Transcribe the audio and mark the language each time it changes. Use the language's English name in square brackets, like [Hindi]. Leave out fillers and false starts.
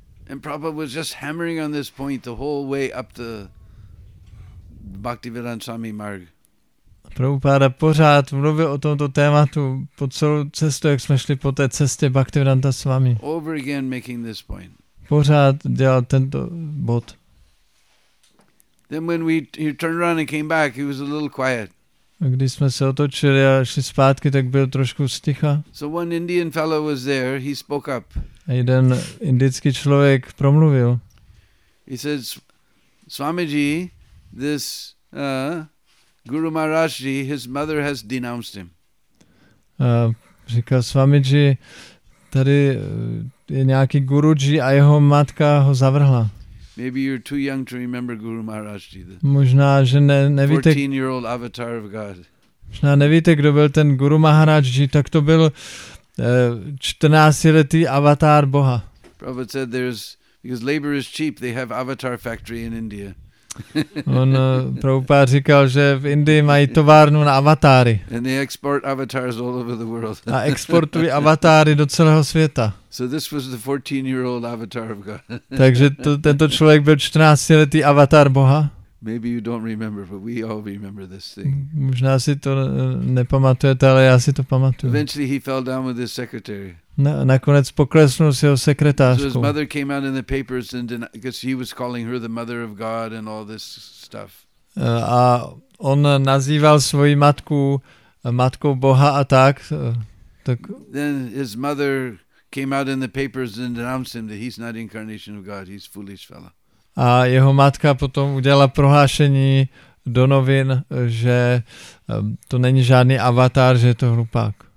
[English] And Prabhupada was just hammering on this point the whole way up the Bhaktivedanta Swami Marg. [Czech] Prabhupada pořád mluvil o tomto tématu po celou cestu, jak jsme šli po té cestě Bhaktivedanta Swami. [English] Over again making this point. [Czech] Pořád dělal tento bod. [English] Then when he turned around and came back, he was a little quiet. [Czech] A když jsme se otočili a šli zpátky, tak byl trošku sticha. [English] So one Indian fellow was there, he spoke up. [Czech] A jeden indický člověk promluvil. [English] He says, Swamiji, this Guru Maharaj ji, his mother has denounced him. [Czech] Říká Swamiji, tady je nějaký Guruji a jeho matka ho zavrhla. [English] Maybe you're too young to remember Guru Maharaj ji. [Czech] Možná, že nevíte. [English] 14-year-old avatar of God. [Czech] Možná nevíte, kdo byl ten Guru Maharaj ji, tak to byl 14letý avatar Boha. [English] Prabhupada said there's, because labor is cheap, they have avatar factory in India. [Czech] On Prabhupád říkal, že v Indii mají továrnu na avatáry. [English] And they export avatars all over the world. [Czech] A exportují avatáry do celého světa. [English] So this was the 14-year-old avatar of God. [Czech] Takže tento člověk byl 14-letý avatar Boha. [English] Maybe you don't remember, but we all remember this thing. [Czech] Možná si to nepamatujete, ale já si to pamatuju. [English] Eventually he fell down with his secretary. [Czech] Nakonec poklesnul s jeho sekretářkou. [English] So his mother came out in the papers and because he was calling her the mother of God and all this stuff. [Czech] A on nazýval svoji matku matkou Boha a tak. [English] Then his mother came out in the papers and denounced him that he's not incarnation of God. He's foolish fella. [Czech] A jeho matka potom udělala prohlášení do novin, že to není žádný avatar, že je to hlupák.